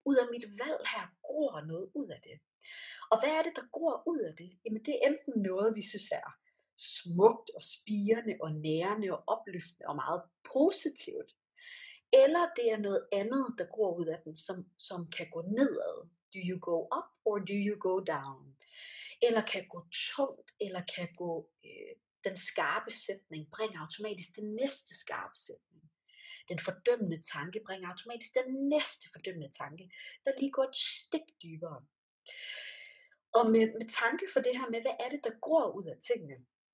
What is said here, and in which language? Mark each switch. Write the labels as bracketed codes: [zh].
[da] Ud af mit valg her, gror noget ud af det. Og hvad er det, der gror ud af det? Jamen det er enten noget, vi synes er smukt og spirende og nærende og opløftende og meget positivt. Eller det er noget andet, der gror ud af den, som kan gå nedad. [en] Do you go up or do you go down? [da] Eller kan gå tungt, eller kan gå den skarpe sætning, bringer automatisk den næste skarpe sætning. Den fordømmende tanke bringer automatisk den næste fordømmende tanke, der lige går et stik dybere. Og med tanke for det her med, hvad er det, der gror ud af tingene?